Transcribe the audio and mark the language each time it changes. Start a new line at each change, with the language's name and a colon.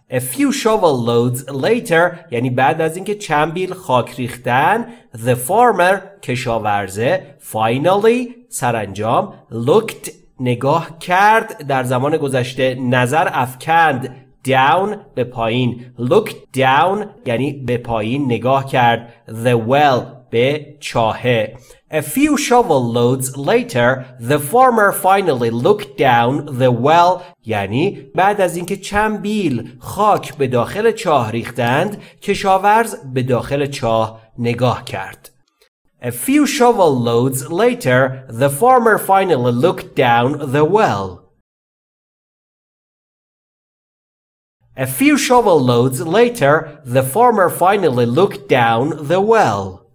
English: A few shovel loads later
Persian: یعنی بعد از اینکه چند بیل خاک ریختن،
English: the farmer
Persian: کشاورزه
English: finally
Persian: سرانجام
English: looked
Persian: نگاه کرد، در زمان گذشته نظر افکند،
English: down
Persian: به پایین،
English: looked down
Persian: یعنی به پایین نگاه کرد،
English: the well
Persian: به چاهه.
English: A few shovel loads later, the farmer finally looked down the well.
Persian: یعنی بعد از اینکه چند بیل خاک به داخل چاه ریختند، کشاورز به داخل چاه نگاه کرد.
English: A few shovel loads later, the farmer finally looked down the well. A few shovel loads later, the farmer finally looked down the well.